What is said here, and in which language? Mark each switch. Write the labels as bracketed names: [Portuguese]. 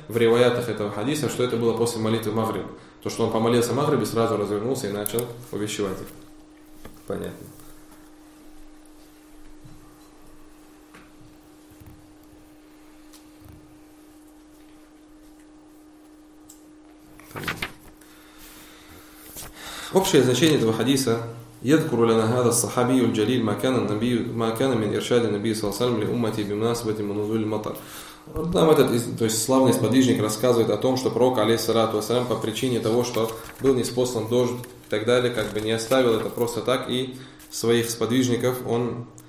[Russian] В риваятах этого хадиса, что это было после молитвы Магриб. То, что он помолился Магриб и сразу развернулся и начал увещевать их. Понятно. Общее значение этого хадиса. [Arabic] يذكر لنا هذا الصحابي الجليل ما كان النبي ما كان من إرشاد النبي صلى الله عليه وسلم لأمتي بمناسبة نزول المطر. [Russian] Нам этот, то есть славный сподвижник рассказывает о том, что пророк, [Arabic] алейхиссалату вассалям, [Russian] по причине того, что был ниспослан дождь и так далее, как бы не оставил это просто так, и своих сподвижников он...